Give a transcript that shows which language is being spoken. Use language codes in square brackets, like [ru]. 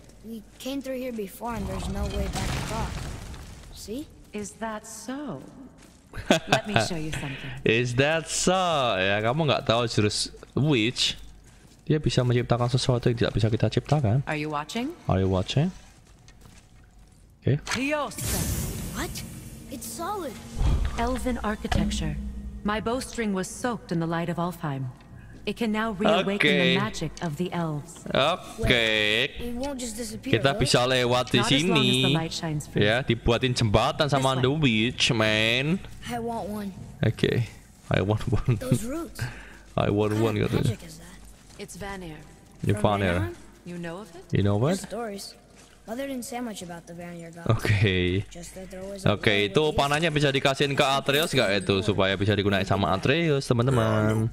[en] We came through here before and there's no way back across. See? Is that so? Let me show you something. Is that so? [id] Ya, kamu enggak tahu jurus witch. Dia bisa menciptakan sesuatu yang tidak bisa kita ciptakan. [en] Are you watching? Are you watching? Oke. Okay. What? It's solid. Elven architecture. My bowstring was soaked in the light of Alfheim. It can now reawaken okay. the magic of the elves. [id] Oke. [en] Okay. [id] Kita bisa lewat di sini. Ya, dibuatin jembatan sama the witch, man. [en] I want one. Oke. Okay. I want one. Those roots. I want one, gitu. It's Vanir. You Vanir. You know of it? You know what? There's stories. Mother didn't say much about the Vanir gods. Okay. [id] Okay, itu panahnya bisa dikasihin ke Atreus enggak itu supaya bisa digunakan sama Atreus, teman-teman.